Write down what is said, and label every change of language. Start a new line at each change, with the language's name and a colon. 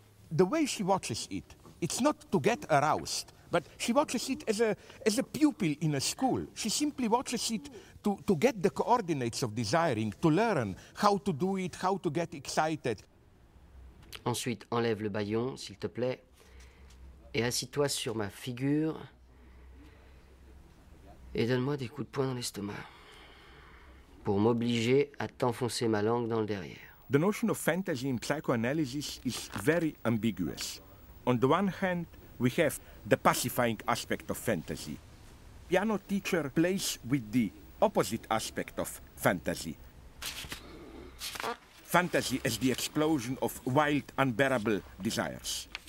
English: The way she watches it, it's not to get aroused, but she watches it as a pupil in a school. She simply watches it to get the coordinates of desiring, to learn how to do it, how to get excited.
French: Ensuite, enlève le baillon, s'il te plaît, et assis-toi sur ma figure et donne-moi des coups de poing dans l'estomac pour m'obliger à t'enfoncer ma langue dans le derrière.
English: The notion of fantasy in psychoanalysis is very ambiguous. On the one hand, we have the pacifying aspect of fantasy. Piano Teacher plays with the opposite aspect of fantasy. Fantasy as the explosion of wild, unbearable desires.